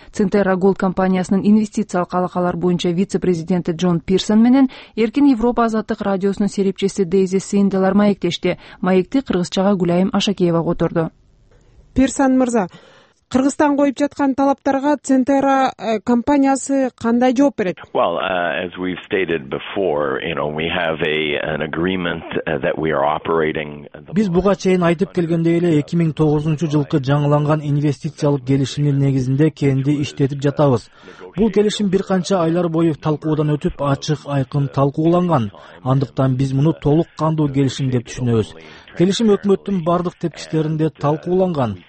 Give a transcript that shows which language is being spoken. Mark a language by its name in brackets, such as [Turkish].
[Kyrgyz] Центерра Gold компаниясынын инвестициялык алакалар боюнча вице-президенти Джон Пирсон менен Эркин Европа Азаттык радио осун серепчиси Дейзи Синделар маектешти. Маекти кыргызчага Гүлайым Ашакеева которду. Пирсан мырза, Кыргызстан коюп жаткан талаптарга Центерра компаниясы кандай жооп берет? [English] Well, as we've stated before, you know, we have an agreement that we are operating. [Kyrgyz] Биз буга чейин айтып келгендей эле 2009 жылкы жаңыланган инвестициялык келишимдин негизинде кенди иштетип жатабыз. Бул келишим бир канча айлар бою талкуудан өтүп, ачык айкын талкууланган. Андыктан биз муну толук кандуу келишим деп түшүнөбүз. Келишим өкмөттүн бардык тепкичтеринде талкууланган.